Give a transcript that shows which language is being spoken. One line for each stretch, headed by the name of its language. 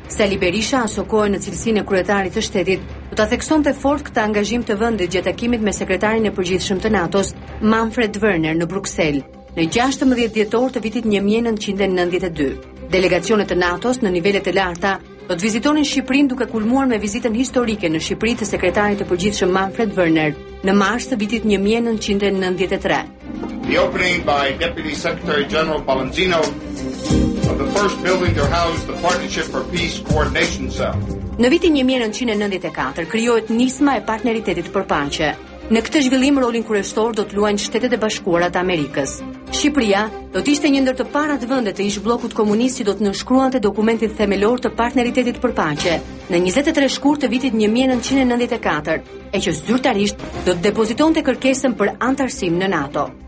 Albanian: Sali Berisha, aso kohë në cilësinë e kryetarit të shtetit, do ta theksonte fort këtë angazhim të vendit gjatë takimit me sekretarin e përgjithshëm të NATO-s, Manfred Werner, në Bruksel, në 16 dhjetor të vitit 1992. Delegacionet të NATO-s në nivelet e larta do të vizitonin Shqipërinë duke kulmuar me vizitën historike në Shqipëri të sekretarit të përgjithshëm Manfred Werner në mars të vitit 1993.
English: The opening by Deputy Secretary General Balanzino of the first building to house the Partnership for Peace Coordination Cell.
Albanian: Në vitin 1994 krijohet Nisma e Partneritetit për Paqe. Në këtë zhvillim rolin kryesor do të luajnë Shtetet e Bashkuara të Amerikës. Shqipëria do të ishte një ndër të parat vendet e ish-bllokut komunist që do të nënshkruante dokumentin themelor të Partneritetit për Paqe në 23 shkurt të vitit 1994, e që zyrtarisht do të depozitonte kërkesën për antarësim në NATO.